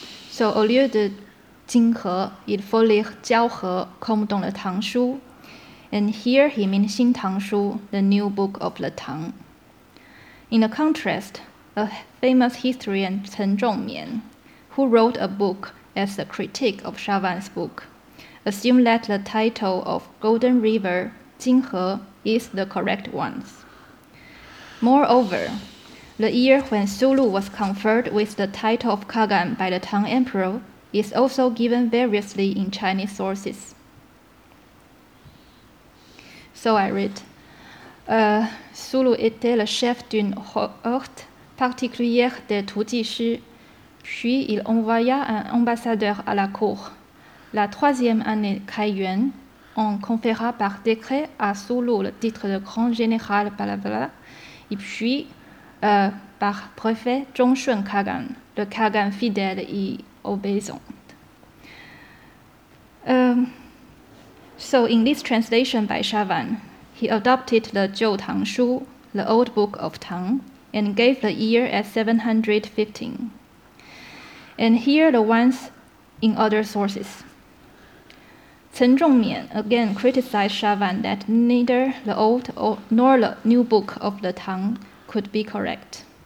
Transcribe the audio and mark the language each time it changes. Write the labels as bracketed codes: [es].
[fr] So, au lieu de Jinghe, il faut lire Jiaohe comme dans le Tang Shu. [en] And here he means Xin Tang Shu, the new book of the Tang. In a contrast, a famous historian Chen Zhongmian, who wrote a book as a critique of Shavan's book, assumed that the title of Golden River, Jinghe, is the correct one. Moreover, the year when Sulu was conferred with the title of Kagan by the Tang Emperor is also given variously in Chinese sources. So I read, [fr] Sulu était le chef d'une horde particulière des Tuji-shi, puis il envoya un ambassadeur à la cour. La troisième année Kaiyuan, on conféra par décret à Sulu le titre de grand général, blablabla, et puis par préfet Zhongshun Kagan, le Kagan fidèle et obéissant. [en] So in this translation by Shavan, he adopted the Zhou Tang Shu, the old book of Tang, and gave the year as 715. And here are the ones in other sources. Chen Zhongmian again criticized Shavan that neither the old nor the new book of the Tang could be correct.